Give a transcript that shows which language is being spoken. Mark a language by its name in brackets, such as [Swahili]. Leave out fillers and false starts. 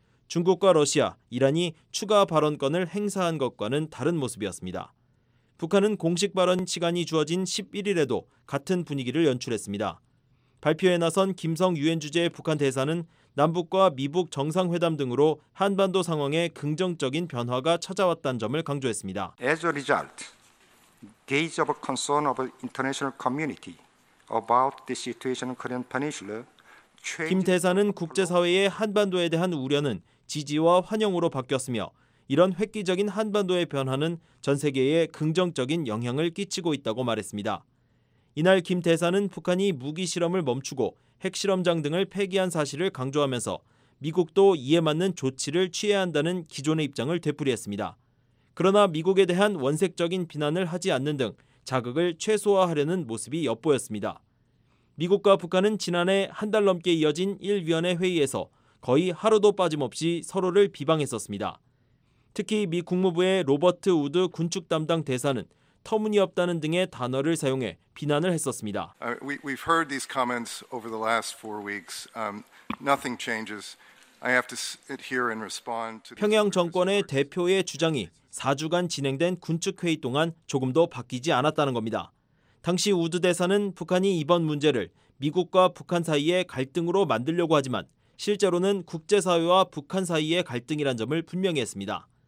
[Korean] 중국과 러시아, 이란이 추가 발언권을 행사한 것과는 다른 모습이었습니다. 북한은 공식 발언 시간이 주어진 11일에도 같은 분위기를 연출했습니다. 발표에 나선 김성 유엔 주재 북한 대사는 남북과 미북 정상회담 등으로 한반도 상황에 긍정적인 변화가 찾아왔다는 점을 강조했습니다. [English] As a result, gauge of concern of international community about the situation in Korean Peninsula. [Korean] 김 대사는 국제사회의 한반도에 대한 우려는 지지와 환영으로 바뀌었으며 이런 획기적인 한반도의 변화는 전 세계에 긍정적인 영향을 끼치고 있다고 말했습니다. 이날 김 대사는 북한이 무기 실험을 멈추고 핵실험장 등을 폐기한 사실을 강조하면서 미국도 이에 맞는 조치를 취해야 한다는 기존의 입장을 되풀이했습니다. 그러나 미국에 대한 원색적인 비난을 하지 않는 등 자극을 최소화하려는 모습이 엿보였습니다. 미국과 북한은 지난해 한 달 넘게 이어진 1위원회 회의에서 거의 하루도 빠짐없이 서로를 비방했었습니다. 특히 미 국무부의 로버트 우드 군축 담당 대사는 터무니없다는 등의 단어를 사용해 비난을 했었습니다. [English] We've heard these comments over the last four weeks. Nothing changes. I have to sit here and respond to. [Korean] 평양 정권의 대표의 주장이 4주간 진행된 군축회의 동안 조금도 바뀌지 않았다는 겁니다. 당시 우드 대사는 북한이 이번 문제를 미국과 북한 사이의 갈등으로 만들려고 하지만 실제로는 국제사회와 북한 사이의 갈등이란 점을 분명히 했습니다.